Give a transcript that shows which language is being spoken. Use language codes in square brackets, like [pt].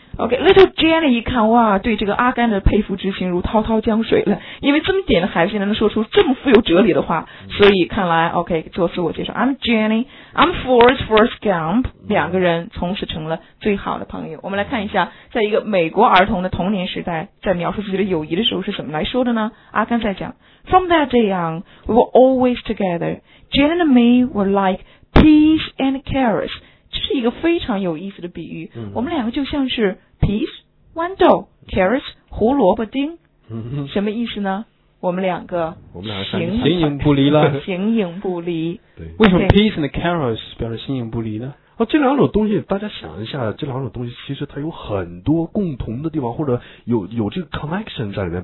[zh] OK, little Jenny 一看，哇，对这个阿甘的佩服之情如滔滔江水了，因为这么点的孩子能说出这么富有哲理的话，所以看来 OK 做自我介绍 ， [en] I'm Jenny。 I'm Forrest Forrest Gump, [zh] 两个人从此成了最好的朋友。我们来看一下，在一个美国儿童的童年时代，在描述自己的友谊的时候是怎么来说的呢？阿甘在讲 [en] ,From that day on, we were always together. Jen and me were like peas and carrots. [zh] 这是一个非常有意思的比喻。我们两个就像是 peas, 豌豆 carrots, 胡萝卜丁。什么意思呢？我们两个形影不离了，形影不离。对，为什么 [en] peas and carrots [zh] 表示形影不离呢？哦，这两种东西，大家想一下，这两种东西其实它有很多共同的地方，或者有这个 connection 在里面。